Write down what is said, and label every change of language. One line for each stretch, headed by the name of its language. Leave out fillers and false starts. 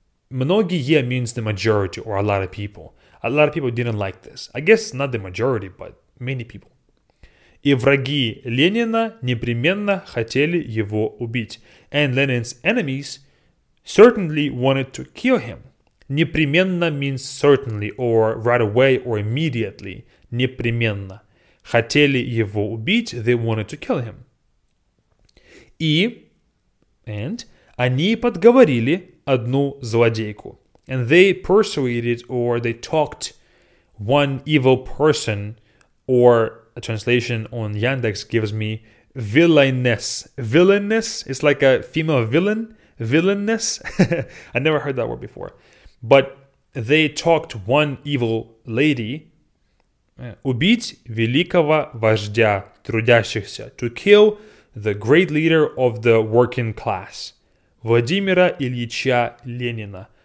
English: Многие means the majority or a lot of people. A lot of people didn't like this. I guess not the majority, but many people.
Russian: И враги Ленина непременно хотели его убить.
English: And Lenin's enemies certainly wanted to kill him. Непременно means certainly or right away or immediately. Непременно.
Russian: Хотели его убить.
English: They wanted to kill him.
Russian: И, and, они подговорили одну злодейку.
English: And they persuaded or they talked one evil person, or a translation on Yandex gives me villainess. Villainess is like a female villain. Villainess. I never heard that word before. But they talked one evil lady.
Russian: Убить великого вождя трудящихся.
English: To kill the great leader of the working class.
Russian: Владимира Ильича Ленина.